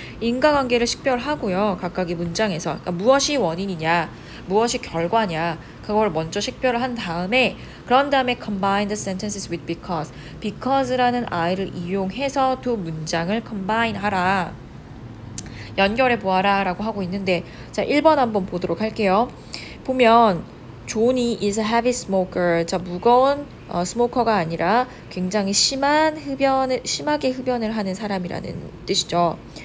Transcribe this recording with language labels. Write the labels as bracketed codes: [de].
[ko] 인과관계를 식별하고요. 각각의 문장에서 그러니까 무엇이 원인이냐, 무엇이 결과냐 그걸 먼저 식별을 한 다음에 그런 다음에 [en] combine the sentences with because. [ko] because라는 I를 이용해서 두 문장을 combine 하라. 연결해 보아라 라고 하고 있는데 자, 1번 한번 보도록 할게요. 보면 존이 [en] is a heavy smoker. [ko] 자, 무거운 스모커가 아니라 굉장히 심하게 흡연을 하는 사람이라는 뜻이죠.